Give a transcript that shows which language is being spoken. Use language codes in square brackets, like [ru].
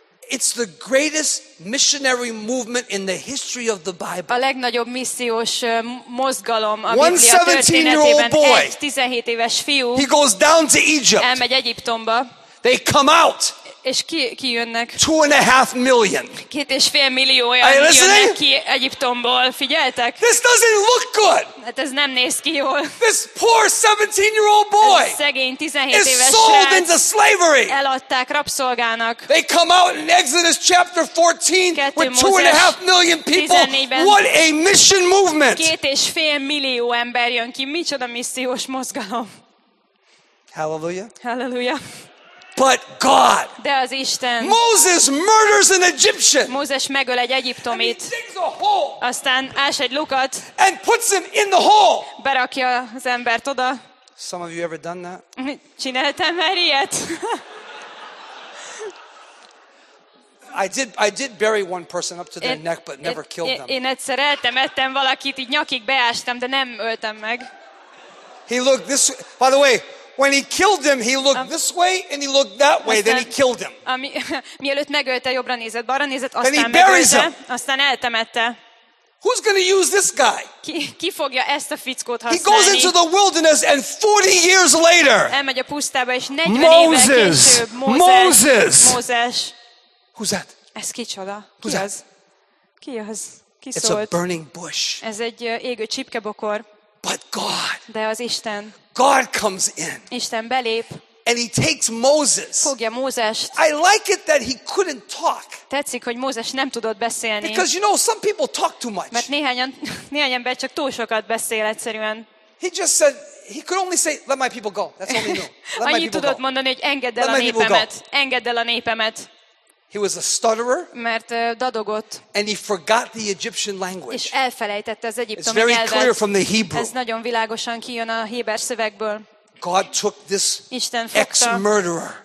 [en] It's the greatest missionary movement in the history of the Bible. [hu] A legnagyobb missziós mozgalom a Biblia történetében. Egy 17 éves fiú. [en] He goes down to Egypt. [hu] Elmegy Egyiptomba. [en] They come out. [hu] És ki jönnek? [en] 2.5 million. [hu] 2.5 millióan jönnek ki Egyiptomból. Figyeltek? [en] This doesn't look good. [hu] Hát ez nem néz ki jól. [en] This poor 17-year-old boy. [hu] Ez szegény 17 éves srác. [en] Is sold into slavery. [hu] Eladták rabszolgának. [en] They come out in Exodus chapter 14 with 2.5 million people. What a mission movement. [hu] 2.5 millió ember jön ki. Micsoda missziós mozgalom. Hallelujah. Hallelujah. [en] But God. [hu] De az Isten. [en] Moses murders an Egyptian. [hu] Mózes megöl egy egyiptomit. Aztán ás egy lukat. [en] And puts him in the hole. [hu] Berakja az embert oda. [en] Some of you ever done that? [hu] Csináltam már ilyet. [en] I did bury one person up to their neck, but never killed them. [hu] Én egyszer eltemettem valakit, így nyakig beástam, de nem öltem meg. [en] He looked this. By the way. When he killed him, he looked this way and he looked that way. Then he killed him. [hu] Mielőtt megölte, jobbra nézett, balra nézett, aztán megölte. Aztán eltemette. [en] Who's going to use this guy? [hu] Ki fogja ezt a fickót használni? [en] He goes into the wilderness and 40 years later. [hu] Elmegy a pusztába és 40 évvel később. [en] Moses. [hu] Mózes. [en] Who's that? [hu] Ez kicsoda. [en] Who's that? [hu] Ki az? Ki szólt? [en] It's a burning bush. [hu] Ez egy égő csipkebokor. [en] But God. [hu] De az Isten. [en] God comes in. [hu] Isten belép. [en] And he takes Moses. [hu] Fogja Mózest. [en] I like it that he couldn't talk. [hu] Tetszik, hogy Mózes nem tudott beszélni. [en] Because you know some people talk too much. [hu] Mert néhány ember csak túl sokat beszél egyszerűen. [en] He just said he could only say let my people go. That's all he knew. [hu] Annyit tudott mondani, hogy engedd el a népemet. Engedd el a népemet. [en] He was a stutterer. [hu] Mert dadogott. [en] And he forgot the Egyptian language. [hu] És elfelejtette az egyiptomi nyelvet. [en] It's very clear from the Hebrew. [hu] Ez nagyon világosan kijön a héber szövegből. [en] God took this ex-murderer.